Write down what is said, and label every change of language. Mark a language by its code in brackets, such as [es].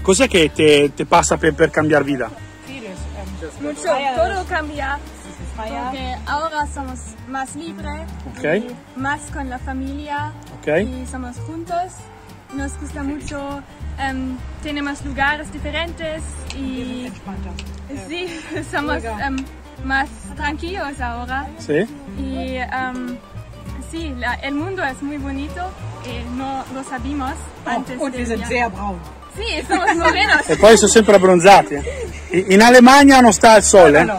[it] Cos'è che te passa per cambiare vita? [es] Mucho, todo cambia, porque ahora somos más libres, okay. Más con la familia, okay. Y somos juntos, nos gusta mucho, tenemos lugares diferentes y sí, somos más tranquilos ahora. Sí. Y sí, el mundo es muy bonito y no lo sabíamos antes. Oh, es muy brown. [it] Sì, sono e poi sono sempre abbronzati. In Alemania non sta il sole?